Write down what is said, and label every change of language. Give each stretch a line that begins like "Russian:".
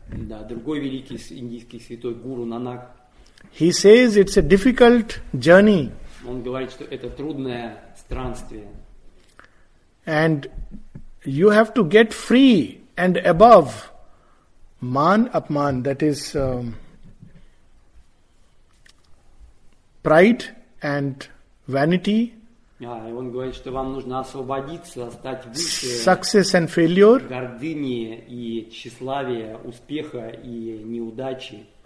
Russian: Да, другой великий индийский святой Гуру Нанак.
English: He says it's a difficult journey.
Russian: Он говорит, что это трудное странствие.
English: And you have to get free and above man apman, that is pride and vanity.
Russian: Он говорит, что вам нужно освободиться, стать выше.
English: Success and failure.
Russian: Гордыни и тщеславия, успеха и неудачи.